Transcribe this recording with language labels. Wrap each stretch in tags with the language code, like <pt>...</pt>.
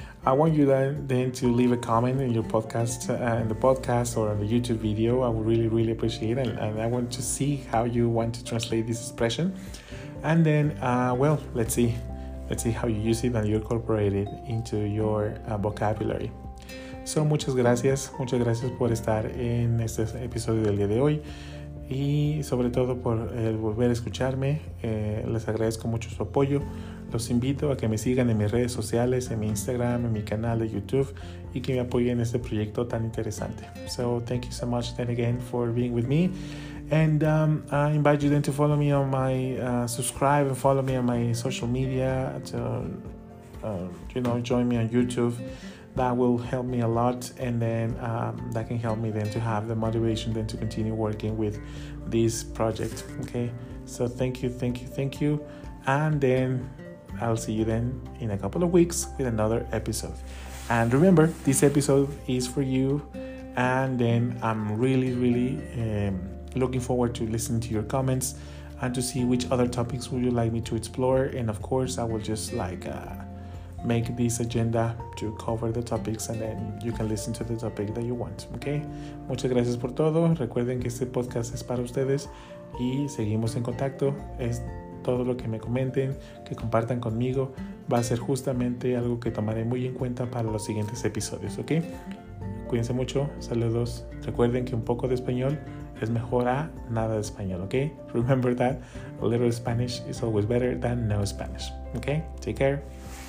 <en>I want you then to leave a comment in your podcast, in the podcast or on the YouTube video. I would really, really appreciate it. And I want to see how you want to translate this expression. And then, well, let's see. Let's see how you use it and you incorporate it into your vocabulary.</en> <es>So, muchas gracias. Muchas gracias por estar en este episodio del día de hoy. Y sobre todo por volver a escucharme. Les agradezco mucho su apoyo. Los invito a que me sigan en mis redes sociales, en mi Instagram, en mi canal de YouTube, y que me apoyen en este proyecto tan interesante.</es> <en>So thank you so much then again for being with me, and I invite you then to follow me on my subscribe and follow me on my social media to you know, join me on YouTube. That will help me a lot, and then that can help me then to have the motivation then to continue working with this project. Okay, so thank you, and then I'll see you then in a couple of weeks with another episode. And remember, this episode is for you. And then I'm really, really looking forward to listening to your comments and to see which other topics would you like me to explore. And of course, I will just like make this agenda to cover the topics, and then you can listen to the topic that you want.</en> <es>Okay? Muchas gracias por todo. Recuerden que este podcast es para ustedes y seguimos en contacto. Todo lo que me comenten, que compartan conmigo, va a ser justamente algo que tomaré muy en cuenta para los siguientes episodios, ¿ok? Cuídense mucho, saludos. Recuerden que un poco de español es mejor a nada de español, ¿ok?</es> <en>Remember that a little Spanish is always better than no Spanish, ¿ok? Take care.</en>